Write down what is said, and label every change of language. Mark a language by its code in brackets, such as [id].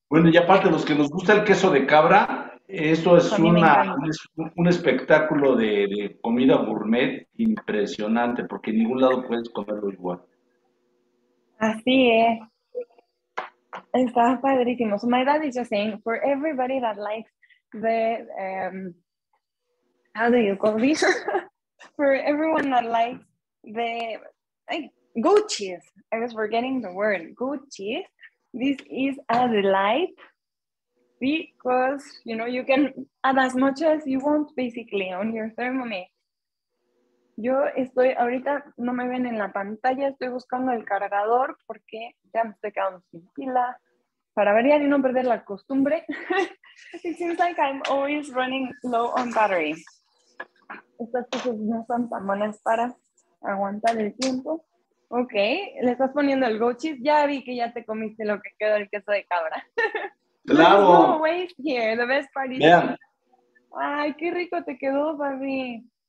[es] Bueno, y aparte, los que nos gusta el queso de cabra, esto es un espectáculo de comida gourmet impresionante, porque en ningún lado puedes comerlo igual. Así es. Está padrísimo. [en] So my dad is just saying, for everybody that likes the, how do you call this? For everyone that likes the, goat cheese. I was forgetting the word, goat cheese. This is a delight because, you know, you can add as much as you want, basically, on your Thermomix. [es] Yo estoy, ahorita no me ven en la pantalla, estoy buscando el cargador porque ya me estoy quedando sin pila. Para variar y no perder la costumbre. [en] It seems like I'm always running low on battery. [es] Estas cosas no son tan buenas para aguantar el tiempo. Ok, le estás poniendo el goat cheese. Ya vi que ya te comiste lo que quedó el queso de cabra. ¡Claro! [en] No wait here, the best part is [es] ¡ay, qué rico te quedó, papi!